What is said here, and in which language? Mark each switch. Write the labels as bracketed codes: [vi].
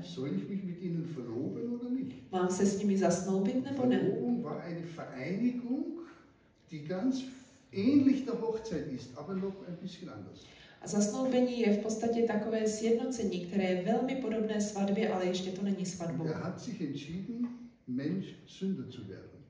[de] Soll ich mich mit ihnen verloben oder nicht? [cs] Mám se s nimi zasnoubit nebo ne? [de] Verlobung war eine Vereinigung, die ganz ähnlich der Hochzeit ist, aber noch ein bisschen anders. [cs] A zasnoubení je v podstatě takové sjednocení, které je velmi podobné svatbě, ale ještě to není svatbou. [de] Er hat sich entschieden, Mensch Sünder zu werden.